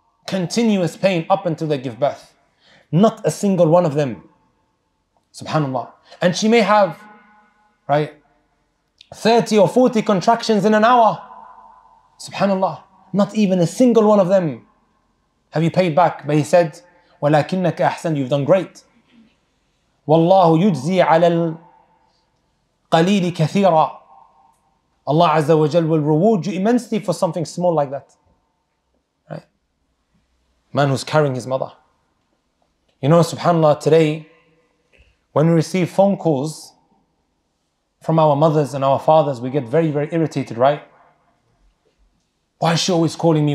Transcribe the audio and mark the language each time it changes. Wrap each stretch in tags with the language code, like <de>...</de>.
<en>Continuous pain up until they give birth. Not a single one of them. Subhanallah. And she may have, right, 30 or 40 contractions in an hour. Subhanallah. Not even a single one of them have you paid back. But he said,</en> <ar>ولكنك أحسن,</ar> <en>you've done great.</en> <ar>والله يجزي على القليل كثيرا.</ar> <en>Allah Azza wa Jal will reward you immensely for something small like that. Right? Man who's carrying his mother. You know, subhanAllah, today, when we receive phone calls from our mothers and our fathers, we get very, very irritated, right? Why is she always calling me?</en>